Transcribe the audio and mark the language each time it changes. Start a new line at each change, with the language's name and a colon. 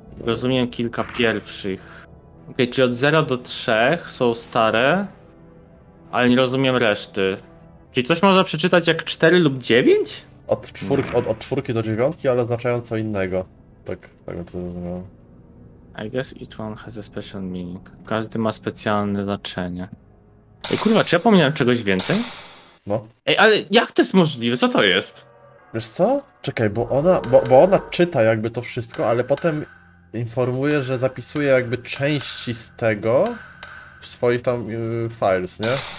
Polish: Rozumiem kilka pierwszych. Okej, okay, czyli od 0 do 3 są stare, ale nie rozumiem reszty. Czyli coś można przeczytać jak 4 lub 9? Od 4 do 9, ale oznaczają co innego. Tak, tak bym to zrozumiał.
English: I guess each one has a special meaning.
Polish: Każdy ma specjalne znaczenie. Ej, kurwa, czy ja pomniałem czegoś więcej? No. Ej, ale jak to jest możliwe? Co to jest? Wiesz co? Czekaj, bo ona czyta jakby to wszystko, ale potem informuje, że zapisuje jakby części z tego w swoich tam files, nie?